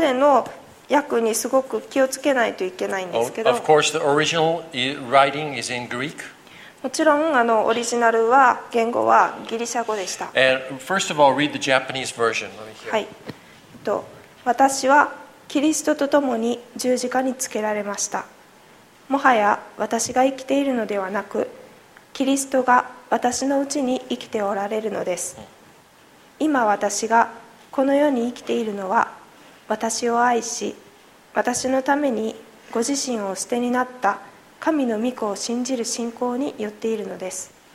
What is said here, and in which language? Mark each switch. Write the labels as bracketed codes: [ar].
[ja] での訳にすごく気をつけないといけないんですけど、 [en] of course, the original writing is in Greek. [ja] もちろんオリジナルは言語はギリシャ語でした。 [en] And first of all, read the Japanese version. [ja] はい、私はキリストと共に十字架につけられました。もはや私が生きているのではなく、キリストが私のうちに生きておられるのです。今私がこの世に生きているのは、私を愛し、私のためにご自身を捨てになった神の御子を信じる信仰によっているのです。